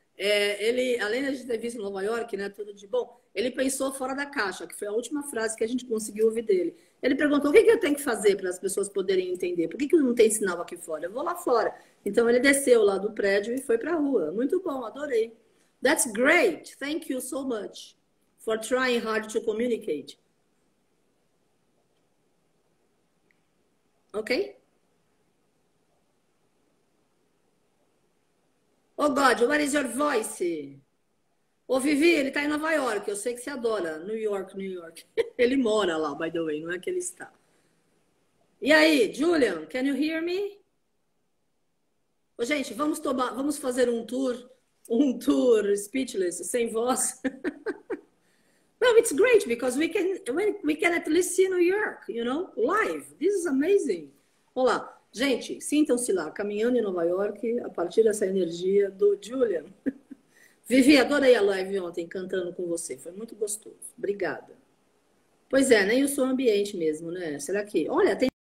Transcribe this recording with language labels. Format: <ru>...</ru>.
<pt>É, ele, além de a gente ter visto em Nova York, né, tudo de bom, ele pensou fora da caixa, que foi a última frase que a gente conseguiu ouvir dele. Ele perguntou: o que que eu tenho que fazer para as pessoas poderem entender? Por que que não tem sinal aqui fora? Eu vou lá fora. Então ele desceu lá do prédio e foi para a rua. Muito bom, adorei.</pt> <en>That's great. Thank you so much for trying hard to communicate. Ok? Oh God, what is your voice?</en> <pt>Ô, Vivi, ele tá em Nova York. Eu sei que você adora. New York, New York. Ele mora lá,</pt> <en>by the way,</en> <pt>não é que ele está. E aí,</pt> <en>Julian, can you hear me?</en> <pt>Ô, gente, vamos fazer um tour speechless, sem voz.</pt> <en>Well, it's great because we can at least see New York, you know, live. This is amazing.</en> <pt>Olá, gente, sintam-se lá, caminhando em Nova York, a partir dessa energia do Julian. Vivi, adorei a live ontem, cantando com você, foi muito gostoso. Obrigada. Pois é, nem o som ambiente mesmo, né? Será que? Olha, tem.</pt>